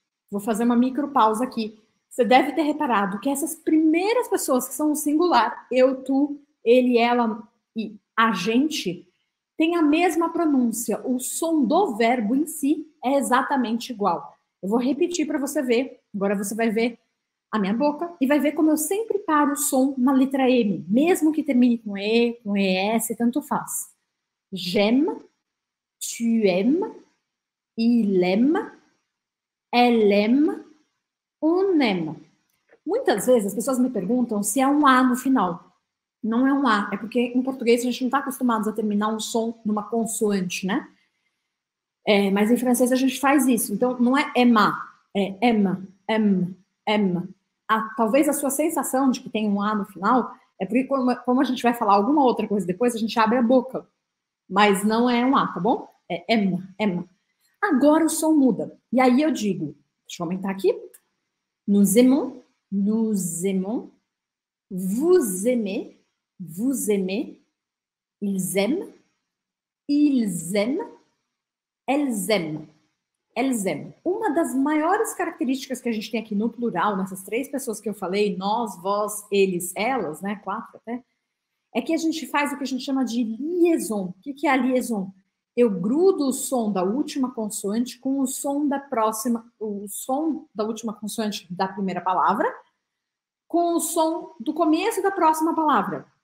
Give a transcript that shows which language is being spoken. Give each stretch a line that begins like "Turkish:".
Portuguese: Vou fazer uma micro pausa aqui. Você deve ter reparado que essas primeiras pessoas que são o singular, eu, tu, ele, ela e a gente. Tem a mesma pronúncia, o som do verbo em si é exatamente igual. Eu vou repetir para você ver. Agora você vai ver a minha boca e vai ver como eu sempre paro o som na letra M, mesmo que termine com E, com ES, tanto faz.
French: J'aime, tu aimes, il aime, elle aime, on aime.
Portuguese: Muitas vezes as pessoas me perguntam se é um A no final. Não é um A, é porque em português a gente não está acostumado a terminar um som numa consoante, né? Mas em francês a gente faz isso. Então não é Emma, é Emma, Emma, Emma. Talvez a sua sensação de que tem um A no final é porque, como a gente vai falar alguma outra coisa depois, a gente abre a boca. Mas não é um A, tá bom? É Emma, Emma. Agora o som muda. E aí eu digo, deixa eu aumentar aqui.
French: Nous aimons, nous aimons, vous aimez. Vous aimez, ils aiment, elles aiment.
Portuguese: Uma das maiores características que a gente tem aqui no plural, nessas três pessoas que eu falei, nós, vós, eles, elas, né, quatro até, é que a gente faz o que a gente chama de liaison. O que é a liaison? Eu grudo o som da última consoante com o som da próxima, o som da última consoante da primeira palavra, com o som do começo da próxima palavra.